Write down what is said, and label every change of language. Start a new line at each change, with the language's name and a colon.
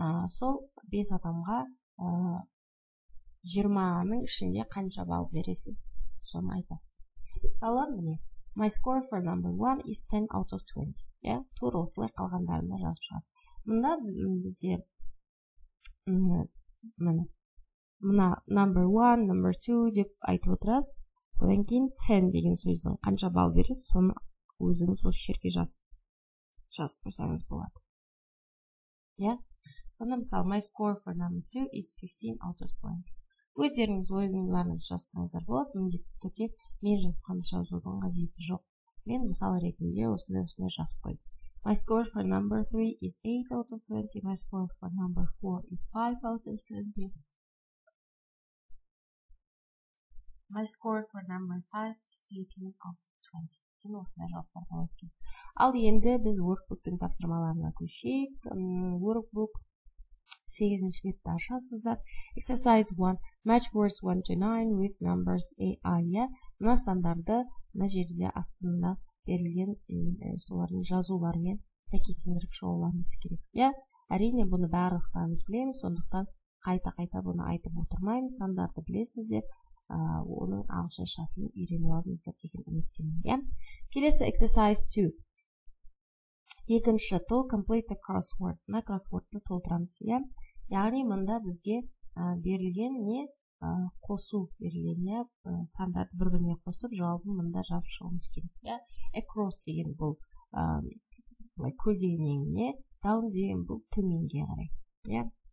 Kazakh: сол 5 адамға 20-ның ішінде қанша балл бересіз, соны айтасыз. Мысалы, міне,
English: my score for number 1 is 10 out of 20.
Kazakh: Я тура осылай қалғандарында жазып шығасыз. Мында бізде міне, мына number 1, number 2 деп айтып отырасыз. Одан кейін 10 деген сөздің қанша балл бересіз, соны өзіңіз осы жерге жазып қойсаңыз болады. Я? Сонда мысалы,
English: my score for number 2 is 15 out of 20.
Kazakh: Өздеріңіз ойыңыздарыңызды жазсаңыздар болады, міндетті түрде мен жазған жазудың қажеті жоқ. Мен мысалы ретінде осындай жазып қойдым.
English: My score for number 3 is 8 out of 20. My score for number 4 is 5 out of 20. My score for number 5 is 18 out of 20.
Kazakh: Мен осындай жауаптар болады. Ал енді біз workbook-тың тапсырмаларына көшейік. Workbook 8-ші бетті ашасыздар.
English: Exercise 1. Match words 1 to 9 with numbers AI.
Kazakh: Мына сандарды мына жерде астында берілген солардың жазуларымен сәйкестендіріп шығуларыңыз керек. Иә? Әрине, бұны барлықтарыңыз білеміз, сондықтан қайта-қайта бұны айтып отырмаймын. Сандарды білесіздер. Оның ағылшыншасын үйреніп алыңыздар деген үміттемін. Иә? Келесі exercise 2. Екінші тол,
English: complete the crossword.
Kazakh: Мына кроссвордты толтырамыз. Иә? Яғни, мында бізге берілген не қосу берілген, сандарды бір-біріне қосып, жауабын мында жазып шығуымыз керек. Иә? Across деген бұл көл деген не, down деген бұл төменге қарай. Иә?